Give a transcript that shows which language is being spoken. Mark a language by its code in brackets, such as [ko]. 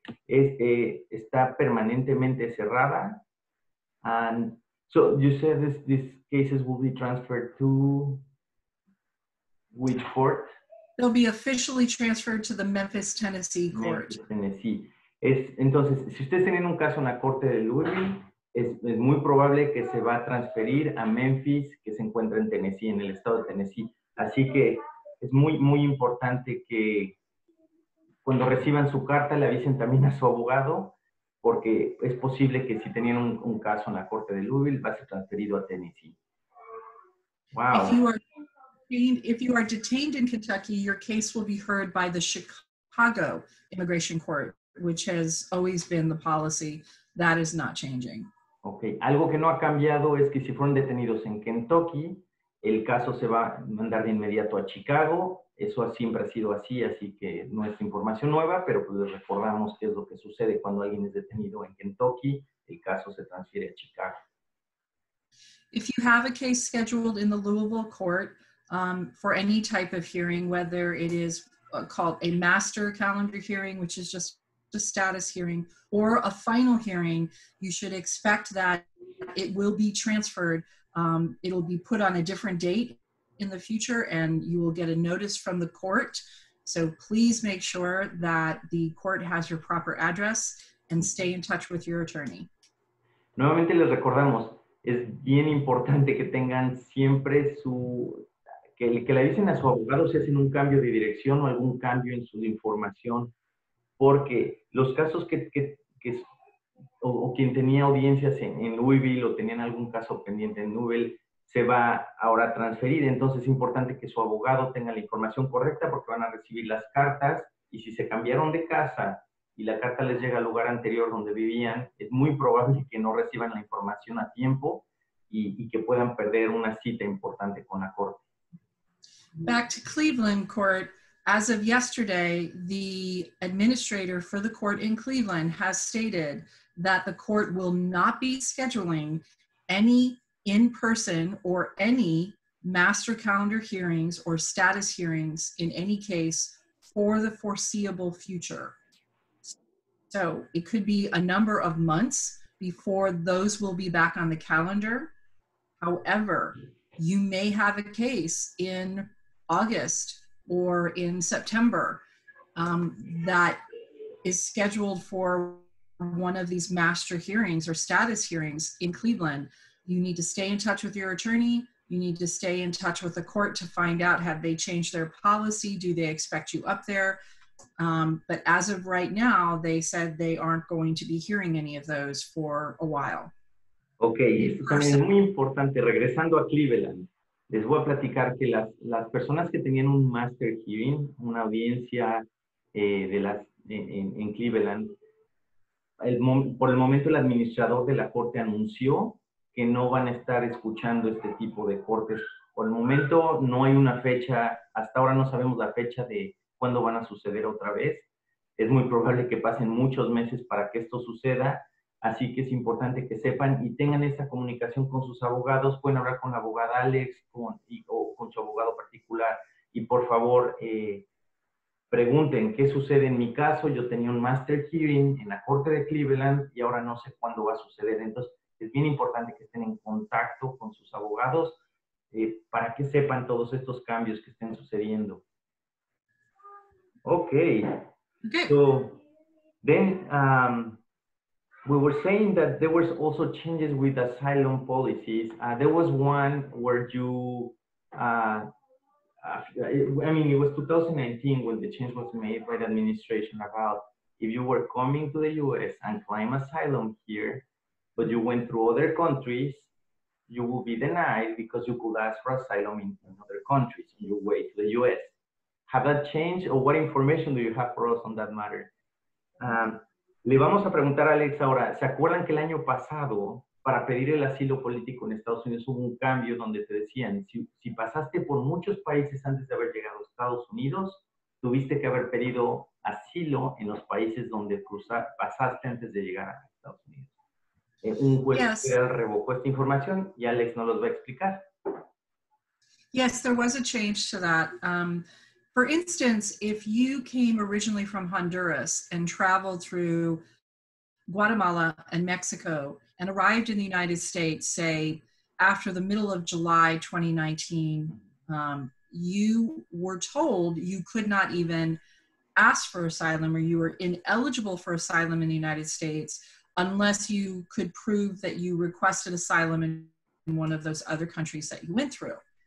[es] Está permanentemente cerrada. [en] And so you said these cases will be transferred to which court? They'll be officially transferred to the Memphis, Tennessee court. Memphis, Tennessee. [es] Entonces, si ustedes tienen un caso en la Corte de Louisville, es muy probable que se va a transferir a Memphis, que se encuentra en Tennessee, en el estado de Tennessee. Así que es muy, muy importante que cuando reciban su carta le avisen también a su abogado, porque es posible que si tenían un caso en la Corte de Louisville, va a ser transferido a Tennessee. [en] Wow. If you are detained in Kentucky, your case will be heard by the Chicago Immigration Court, which has always been the policy. That is not changing. Okay. [es] Algo que no ha cambiado es que si fueron detenidos en Kentucky, el caso se va a mandar de inmediato a Chicago. Eso siempre ha sido así, así que no es información nueva, pero pues les recordamos qué es lo que sucede cuando alguien es detenido en Kentucky, el caso se transfiere a Chicago. [en] If you have a case scheduled in the Louisville court for any type of hearing, whether it is called a master calendar hearing, which is just a status hearing, or a final hearing, you should expect that it will be transferred. It'll be put on a different date in the future, and you will get a notice from the court. So please make sure that the court has your proper address and stay in touch with your attorney. [es] Nuevamente les recordamos, es bien importante que tengan siempre su, que le avisen a su abogado si hacen un cambio de dirección o algún cambio en su información, porque los casos que o quien tenía audiencias en Louisville o tenían algún caso pendiente en Louisville, se va ahora a transferir. Entonces es importante que su abogado tenga la información correcta porque van a recibir las cartas y si se cambiaron de casa y la carta les llega al lugar anterior donde vivían, es muy probable que no reciban la información a tiempo y que puedan perder una cita importante con la corte. [en] Back to Cleveland Court. As of yesterday, the administrator for the court in Cleveland has stated that the court will not be scheduling any in-person or any master calendar hearings or status hearings in any case for the foreseeable future. So it could be a number of months before those will be back on the calendar. However, you may have a case in August or in September that is scheduled for one of these master hearings or status hearings in Cleveland. You need to stay in touch with your attorney. You need to stay in touch with the court to find out, have they changed their policy? Do they expect you up there? But as of right now, they said they aren't going to be hearing any of those for a while. [es] Okay, esto también es muy importante. Regresando a Cleveland, les voy a platicar que las personas que tenían un master hearing, una audiencia en Cleveland, por el momento el administrador de la corte anunció que no van a estar escuchando este tipo de cortes. Por el momento no hay una fecha, hasta ahora no sabemos la fecha de cuándo van a suceder otra vez. Es muy probable que pasen muchos meses para que esto suceda, así que es importante que sepan y tengan esa comunicación con sus abogados. Pueden hablar con la abogada Alex o con su abogado particular y por favor pregunten qué sucede en mi caso. Yo tenía un master hearing en la corte de Cleveland y ahora no sé cuándo va a suceder. Entonces, es bien importante que estén en contacto con sus abogados para que sepan todos estos cambios que estén sucediendo. [en] Okay. Okay. So then we were saying that there was also changes with asylum policies. There was one where you, it was 2019 when the change was made by the administration about if you were coming to the U.S. and claim asylum here, but you went through other countries, you will be denied because you could ask for asylum in other countries on your way to the U.S. Have that changed, or what information do you have for us on that matter? [es] Le vamos a preguntar a Alex ahora, ¿se acuerdan que el año pasado, para pedir el asilo político en Estados Unidos, hubo un cambio donde te decían, si pasaste por muchos países antes de haber llegado a Estados Unidos, tuviste que haber pedido asilo en los países donde pasaste antes de llegar a Estados Unidos? [en] Yes. [es] Revocó esta información y Alex nos los va a explicar. [en] Yes, there was a change to that. For instance, if you came originally from Honduras and traveled through Guatemala and Mexico and arrived in the United States, say, after the middle of July 2019, you were told you could not even ask for asylum or you were ineligible for asylum in the United States unless you could prove that you requested asylum in one of those other countries that you went through.